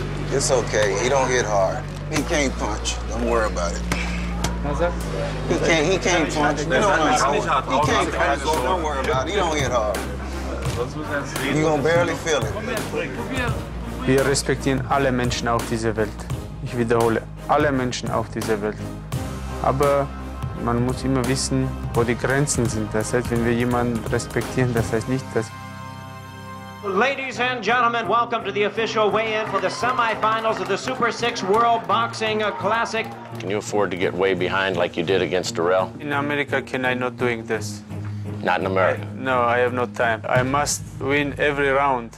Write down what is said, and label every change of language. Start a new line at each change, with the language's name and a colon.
English: It's okay. He don't hit hard. He can't punch. Don't worry about it. He can't. He can't punch. You don't know. He can't punch. Don't worry about it. He don't hit hard. You're gonna barely feel it.
German: Wir respektieren alle Menschen auf dieser Welt. Ich wiederhole, alle Menschen auf dieser Welt. Aber man muss immer wissen, wo die Grenzen sind. Das heißt, wenn wir jemanden respektieren, das heißt nicht, dass...
English: Ladies and gentlemen, welcome to the official weigh-in for the semifinals of the Super 6 World Boxing Classic. Can you afford to get way behind like you did against Durrell? In America, can I not doing this? Not in America. I have no time. I must win every round.